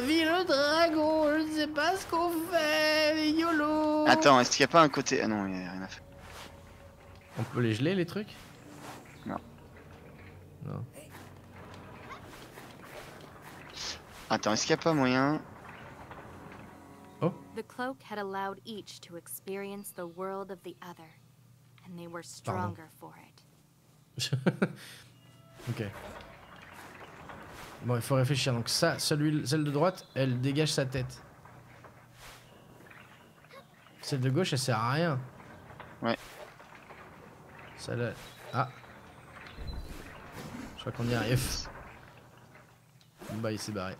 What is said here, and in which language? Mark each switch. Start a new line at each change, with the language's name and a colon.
French: Vive le dragon. Je ne sais pas ce qu'on fait. YOLO. Attends, est-ce qu'il n'y a pas un côté? Ah non, il n'y a rien à faire. On peut les geler les trucs? Non. Non. Attends, est-ce qu'il n'y a pas moyen? Oh.
English: The cloak had allowed each to experience the world of the other. And they were stronger for it.
French: Ok. Bon, il faut réfléchir. Donc ça, celle de droite, elle dégage sa tête. Celle de gauche, elle sert à rien. Ouais. Celle-là... Ah. Je crois qu'on y arrive. Bah, il s'est barré.